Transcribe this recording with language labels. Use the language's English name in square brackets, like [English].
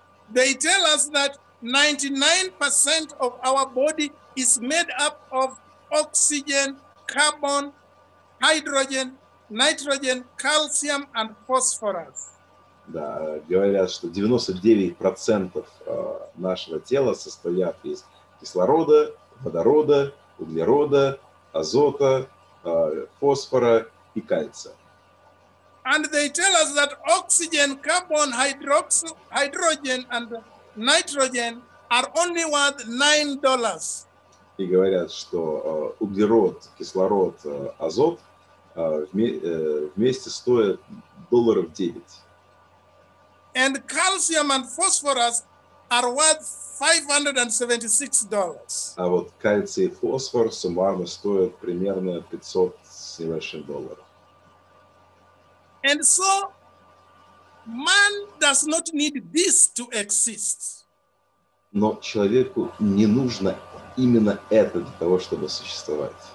[English] They tell us that 99% of our body is made up of oxygen, carbon, hydrogen, nitrogen, calcium and phosphorus. [Russian] Да, говорят, что 99% нашего тела состоят из кислорода, водорода, углерода, азота, фосфора и кальция. [English] And they tell us that oxygen, carbon, hydrogen and nitrogen are only worth $9. [Russian] И говорят, что углерод, кислород, азот вместе стоят долларов 9. [English] And calcium and phosphorus are worth $576. [Russian] А вот кальций и фосфор суммарно стоят примерно 500 с небольшим долларом. [English] And so man does not need this to exist. [Russian] Но человеку не нужно именно это для того, чтобы существовать.